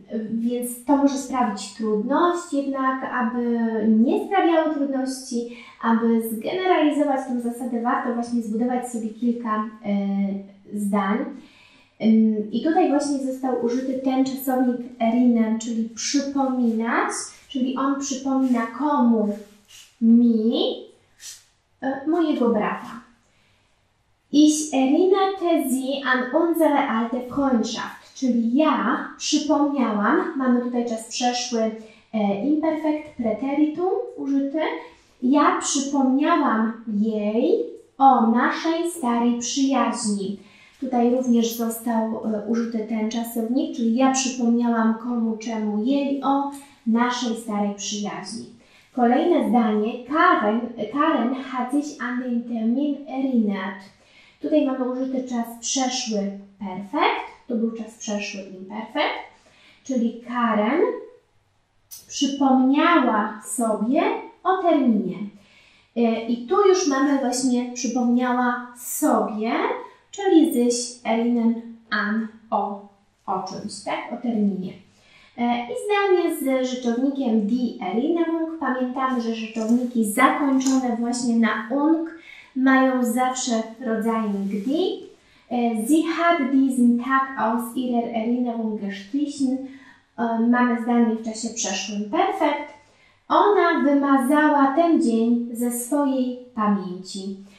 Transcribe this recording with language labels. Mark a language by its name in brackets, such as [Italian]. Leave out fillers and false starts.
[Polish] Więc to może sprawić trudność, jednak aby nie sprawiało trudności, aby zgeneralizować tę zasadę, warto właśnie zbudować sobie kilka zdań. I tutaj właśnie został użyty ten czasownik erinnern, czyli przypominać, czyli on przypomina komu? Mi, mojego brata. [German] Ich erinnerte sie an unsere alte Freundschaft. [Polish] Czyli ja przypomniałam, mamy tutaj czas przeszły imperfekt preteritum użyty, ja przypomniałam jej o naszej starej przyjaźni. Tutaj również został użyty ten czasownik, czyli ja przypomniałam komu czemu jej o naszej starej przyjaźni. Kolejne zdanie, [German] Karen hat sich an den Termin erinnert. [Polish] Tutaj mamy użyty czas przeszły perfekt. To był czas przeszły imperfekt, czyli Karen przypomniała sobie o terminie. I tu już mamy właśnie przypomniała sobie, czyli sich erinnern an o czymś, tak? O terminie. I zdanie z rzeczownikiem die Erinnerung. Pamiętamy, że rzeczowniki zakończone właśnie na ung mają zawsze rodzajnik die. [German] Sie hat diesen Tag aus ihrer Erinnerung gestrichen. [Polish] Mamy zdanie w czasie przeszłym. Perfekt. Ona wymazała ten dzień ze swojej pamięci.